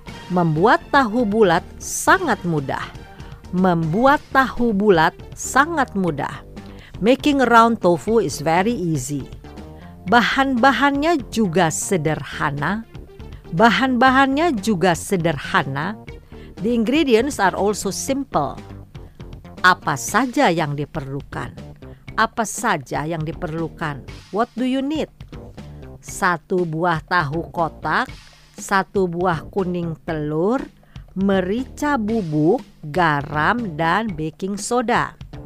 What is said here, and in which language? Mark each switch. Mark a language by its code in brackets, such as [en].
[id] Membuat tahu bulat sangat mudah. Membuat tahu bulat sangat mudah. [en] Making round tofu is very easy. [id] Bahan-bahannya juga sederhana. Bahan-bahannya juga sederhana. [en] The ingredients are also simple. [id] Apa saja yang diperlukan? Apa saja yang diperlukan? [en] What do you need? [id] Satu buah tahu kotak, satu buah kuning telur, merica bubuk, garam, dan baking soda.